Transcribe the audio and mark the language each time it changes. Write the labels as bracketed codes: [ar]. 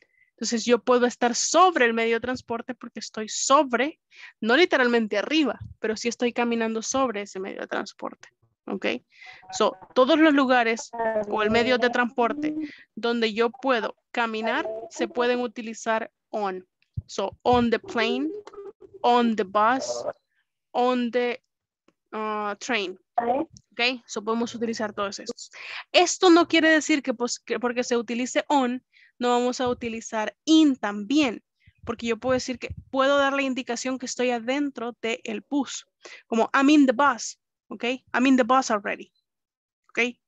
[es] Entonces yo puedo estar sobre el medio de transporte porque estoy sobre, no literalmente arriba, pero sí estoy caminando sobre ese medio de transporte. ¿Ok? So, todos los lugares o el medio de transporte donde yo puedo caminar se pueden utilizar on. [en] So, on the plane, on the bus, on the train. [es] Ok, so podemos utilizar todos estos. Esto no quiere decir que, pues, que porque se utilice on, no vamos a utilizar in también. porque yo puedo decir que puedo dar la indicación que estoy adentro del bus, como [en] I'm in the bus, ok, I'm in the bus already, [es] ok.